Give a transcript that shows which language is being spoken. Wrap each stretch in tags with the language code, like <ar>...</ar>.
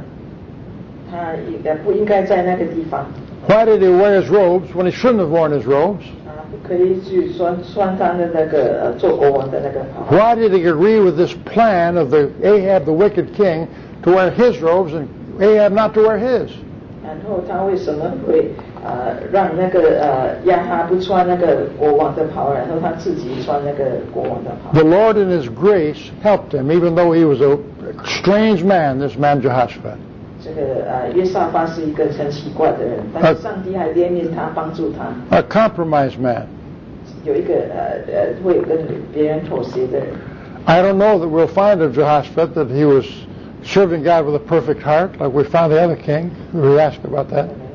<en>Why did he wear his robes when he shouldn't have worn his robes? Why did he agree with this plan of the Ahab, the wicked king, to wear his robes and Ahab not to wear his.</en> <zh>然后他为什么会让那个亚哈不穿那个国王的袍，然后他自己穿那个国王的袍？</zh> <en>The Lord in His grace helped him, even though he was a strange man. This man Jehoshaphat.</en> <zh>这个约撒发是一个很奇怪的人，但是上帝还怜悯他，帮助他。</zh> <en>A compromised man.</en> <zh>有一个会跟别人妥协的人。</zh> <en>I don't know that we'll find a Jehoshaphat that he was. Serving God with a perfect heart, like we found the other king, we asked about that.</en>